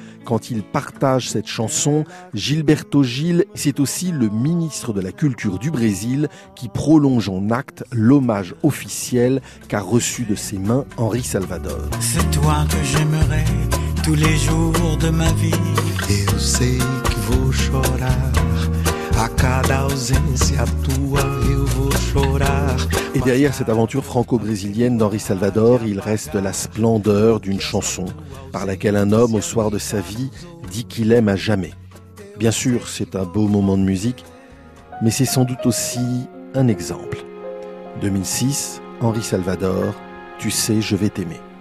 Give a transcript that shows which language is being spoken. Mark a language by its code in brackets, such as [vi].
[fr] Quand il partage cette chanson, Gilberto Gil, c'est aussi le ministre de la Culture du Brésil qui prolonge en acte l'hommage officiel qu'a reçu de ses mains Henri Salvador. C'est toi que j'aimerais tous les jours de ma vie. [pt] Eu sei que vou chorar. A cada ausência tua eu vou chorar. [fr] Et derrière cette aventure franco-brésilienne d'Henri Salvador, il reste la splendeur d'une chanson par laquelle un homme, au soir de sa vie, dit qu'il aime à jamais. Bien sûr, c'est un beau moment de musique, mais c'est sans doute aussi un exemple. 2006, Henri Salvador, Tu sais, je vais t'aimer.